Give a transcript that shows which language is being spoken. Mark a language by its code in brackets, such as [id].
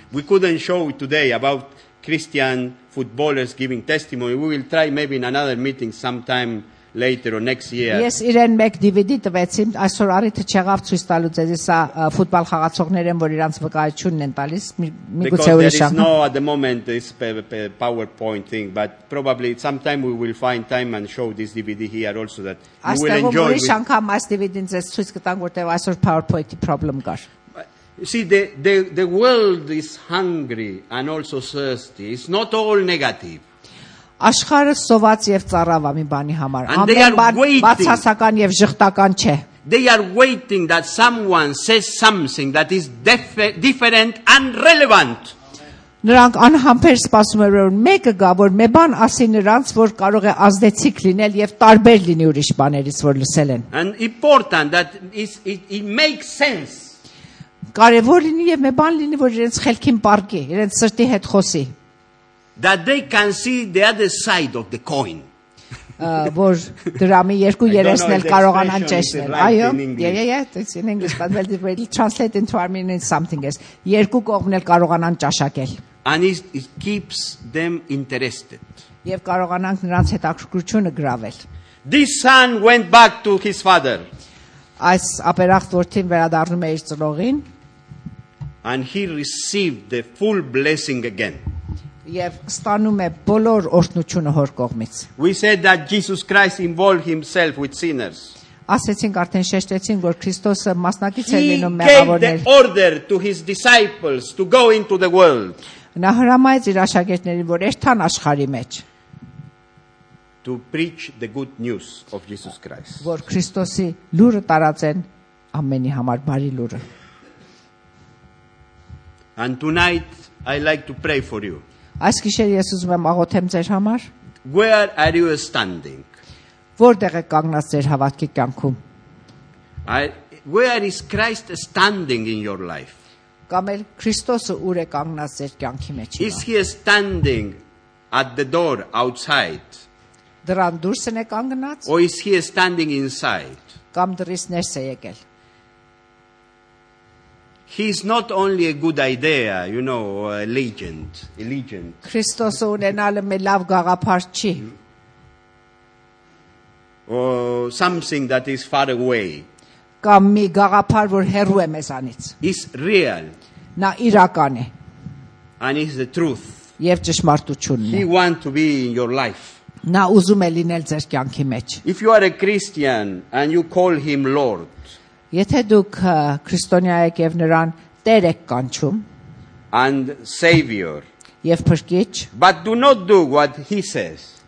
[en] We couldn't show it today about Christian footballers giving testimony. We will try maybe in another meeting sometime later or next year. [hy] Yes, իրեն մեկ DVD տվեցին, այսօր արի թե չեղավ ցույց տալու ձեզ, սա ֆուտբոլ խաղացողներ են, որ իրանց վկայությունն են տալիս, միգուցե ուրիշ անգամ. [en] No, at the moment it's PowerPoint thing, but probably sometime we will find time and show this DVD here also that you will enjoy. [hy] Այստեղ ուրիշ անգամ այս DVD-ն ձեզ ցույց կտան, որտեղ այսօր PowerPoint-ի problem կար. [en] See, the world is hungry and also thirsty. It's not all negative. [hy] Աշխարհը սոված եւ ծառավ ամի բանի համար, ամեն բացասական եւ ժխտական չէ. [en] They are waiting that someone says something that is different and relevant. [hy] Նրանք անհամբեր սպասում են, որ մեկը գա, որ մի բան ասի նրանց, որ կարող է ազդեցիկ լինել եւ տարբեր լինի ուրիշ բաներից, որ լսել են. [en] And important that it makes sense. [hy] Կարևոր լինի եւ մի բան լինի, որ իրենց խելքին պարկի, իրենց սրտի հետ խոսի. [en] That they can see the other side of the coin. [hy] Որ դրամի երկու երեսն էլ կարողանան ճշտել, այո, [en] yeah, in English, but well, it will translate into Armenian something else. [hy] Երկու կողմն էլ կարողանան ճաշակել. [en] And it keeps them interested. [hy] Եվ կարողանան նրանց հետ ակրկրությունը գրավել. [en] This son went back to his father. [hy] Այս ապերախտ որդին վերադառնում է իր ծնողին. [en] And he received the full blessing again. [hy] Եվ ստանում է բոլոր օրհնությունը հոր կողմից. [en] We said that Jesus Christ involved himself with sinners. [hy] Ասացինք արդեն շեշտեցինք, որ Քրիստոսը մասնակից է լինում մեղավորներ. [en] He gave order to his disciples to go into the world. [hy] Նա հրամայեց իր աշակերտներին, որ երթան աշխարհի մեջ. [en] To preach the good news of Jesus Christ. [hy] Որ Քրիստոսի լուրը տարածեն ամենի համար բարի լուրը. [en] And tonight I like to pray for you. [hy] Այս գիշեր ես ուզում եմ աղոթեմ ձեր համար։ [en] Where are you standing? [hy] Որտեղ է կանգնած ձեր հավատքի կյանքում։ [en] Where is Christ standing in your life? [hy] Կամ էլ Քրիստոսը ուր է կանգնած ձեր կյանքի մեջ։ [en] Is he standing at the door outside? [hy] Դրան դուրս է կանգնած։ [en] Or is he standing inside? [hy] Կամ դրից ներս է եկել։ [en] He is not only a good idea, you know, a legend. [hy] Քրիստոս ունենալը մի լավ գաղափար չի. [en] Or something that is far away. [hy] Կամ մի գաղափար, որ հեռու է մեզանից. [en] Is real. [hy] Նա իրական է. [en] And is the truth. [hy] Եվ ճշմարտությունն է. [en] He want to be in your life. [hy] Նա ուզում է լինել ձեր կյանքի մեջ. [en] If you are a Christian and you call him Lord, [hy] Եթե դուք քրիստոնյա եք եւ նրան Տեր եք կանչում [en] and savior [hy] եւ փրկիչ [en] but do not do what he says